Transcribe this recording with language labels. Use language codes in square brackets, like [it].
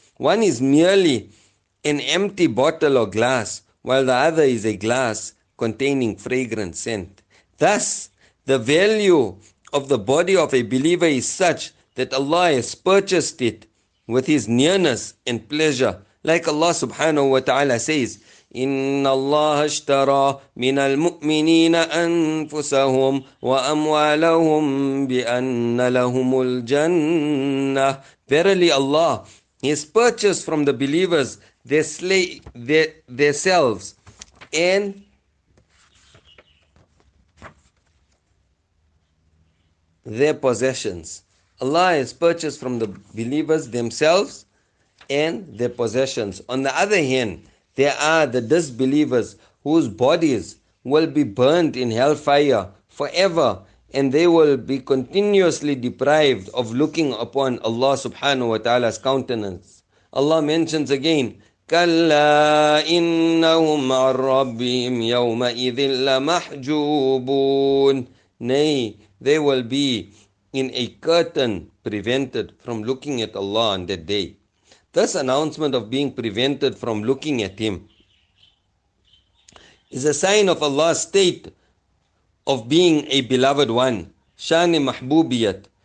[en] One is merely an empty bottle or glass, while the other is a glass containing fragrant scent. Thus, the value of the body of a believer is such that Allah has purchased it with his nearness and pleasure. Like Allah subhanahu wa ta'ala says, [ar] إِنَّ اللَّهَ اشْتَرَى مِنَ الْمُؤْمِنِينَ أَنفُسَهُمْ وَأَمْوَالَهُمْ بِأَنَّ لَهُمُ الْجَنَّةِ. [en] Verily Allah, he has purchased from the believers their selves and their possessions. Allah has purchased from the believers themselves and their possessions. On the other hand, there are the disbelievers whose bodies will be burnt in hellfire forever, and they will be continuously deprived of looking upon Allah subhanahu wa ta'ala's countenance. Allah mentions again, [ar] كَلَّا إِنَّهُمْ عَن رَّبِّهِمْ يَوْمَئِذٍ لَّمَحْجُوبُونَ. [en] Nay, they will be in a curtain prevented from looking at Allah on that day. This announcement of being prevented from looking at him is a sign of Allah's state of being a beloved one, shani mahbubiyat.